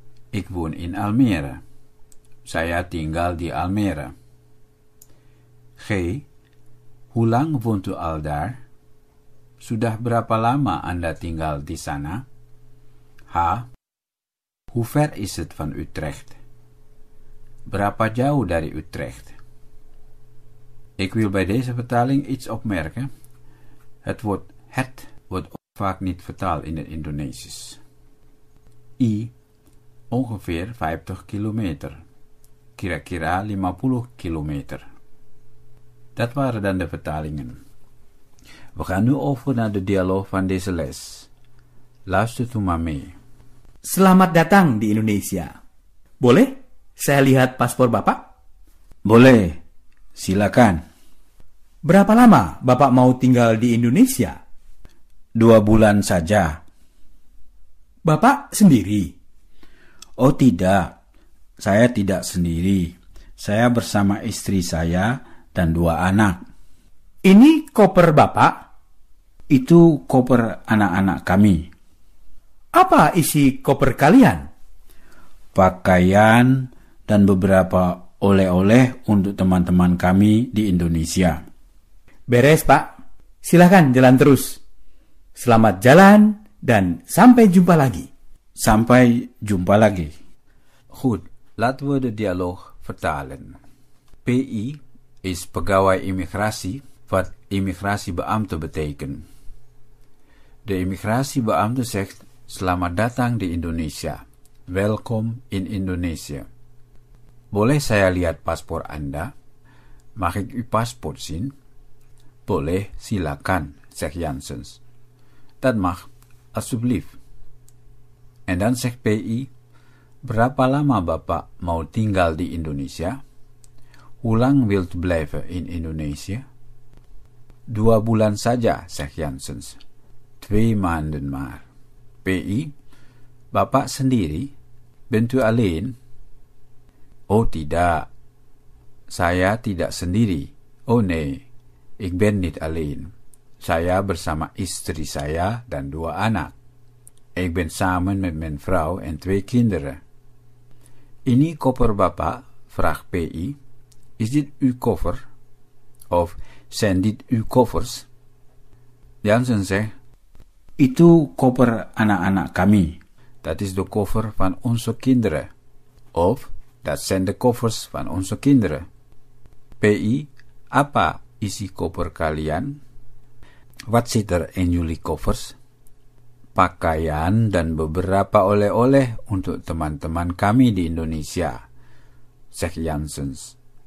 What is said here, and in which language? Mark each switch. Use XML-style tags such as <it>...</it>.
<nl>Ik woon in Almere.</nl> <id>Saya tinggal di Almere.</id> <nl>G. Hoe lang woont u al daar?</nl> <id>Sudah berapa lama Anda tinggal di sana?</id> <nl>H. Hoe ver is het van Utrecht?</nl> <id>Berapa jauh dari Utrecht?</id> <nl>Ik wil bij deze vertaling iets opmerken. Het woord het wordt ook vaak niet vertaald in het Indonesisch. I. Ongeveer 50 kilometer.</nl> <id>Kira-kira 50 kilometer.</id> <nl>Dat waren dan de vertalingen. We gaan nu over naar de dialoog van deze les. Luister toe maar mee.</nl> <id>Selamat datang di Indonesia. Boleh saya lihat paspor Bapak? Boleh, silakan. Berapa lama Bapak mau tinggal di Indonesia? 2 bulan saja. Bapak sendiri? Oh tidak, saya tidak sendiri. Saya bersama istri saya dan 2 anak. Ini koper Bapak? Itu koper anak-anak kami. Apa isi koper kalian? Pakaian dan beberapa oleh-oleh untuk teman-teman kami di Indonesia. Beres, Pak. Silakan jalan terus. Selamat jalan dan sampai jumpa lagi. Sampai jumpa lagi.</id> <nl>Goed, laten we de dialoog vertalen. PI is pegawai immigratie, wat immigratiebeamte betekent. De immigratiebeamte zegt</nl> <id>selamat datang di Indonesia.</id> <nl>Welkom in Indonesië.</nl> <id>Boleh saya lihat paspor Anda?</id> <nl>Mag ik uw paspoort zien?</nl> <id>Boleh, silakan,</id> <nl>zegt Janssens. Dat mag, alsjeblieft. En dan zegt PI,</nl> <id>berapa lama Bapak mau tinggal di Indonesia?</id> <nl>Hoe lang wilt u blijven in Indonesië?</nl> <id>2 bulan saja,</id> <nl>zegt Janssens. 2 maanden maar. PI,</nl> <id>Bapak sendiri?</id> <nl>Bent u alleen?</nl> <id>Oh tidak, saya tidak sendiri.</id> <nl>Oh nee, ik ben niet alleen.</nl> <id>Saya bersama istri saya dan 2 anak.</id> <nl>Ik ben samen met mijn vrouw en 2 kinderen.</nl> <id>Ini koper Bapak,</id> <nl>vraagt PI. Is dit uw koffer? Of zijn dit uw koffers? Janssen zegt,</nl> <id>itu koper anak-anak kami.</id> <nl>Dat is de koffer van onze kinderen. Of, dat zijn de koffers van onze kinderen.</nl> <id>PI, apa isi koper kalian?</id> <nl>Wat zit er in jullie koffers?</nl> <id>Pakaian dan beberapa oleh-oleh untuk teman-teman kami di Indonesia,</id> <nl>zegt Janssens.</nl>